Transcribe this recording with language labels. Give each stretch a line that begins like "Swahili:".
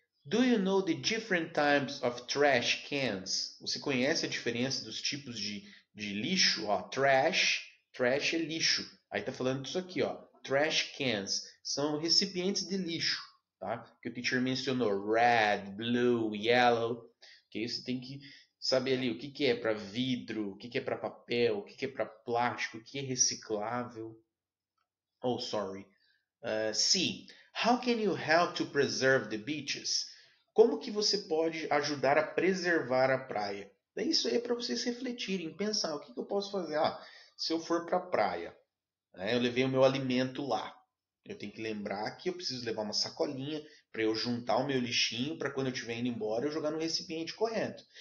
English: Do you know the different types of trash cans?
Portuguese: Você conhece a diferença dos tipos de lixo? Ó, trash. Trash é lixo. Aí tá falando disso aqui, ó. Trash cans. São recipientes de lixo, tá? Que o teacher mencionou.
English: Red, blue, yellow.
Portuguese: Que você tem que saber ali o que que é para vidro, o que que é para papel, o que que é para plástico, o que é reciclável.
English: Oh, sorry. C. How can you help to preserve the beaches?
Portuguese: Como que você pode ajudar a preservar a praia? Daí isso aí é para vocês refletirem, pensar o que que eu posso fazer. Ah, se eu for para a praia, né, eu levei o meu alimento lá. Eu tenho que lembrar que eu preciso levar uma sacolinha para eu juntar o meu lixinho para quando eu estiver indo embora eu jogar no recipiente correto.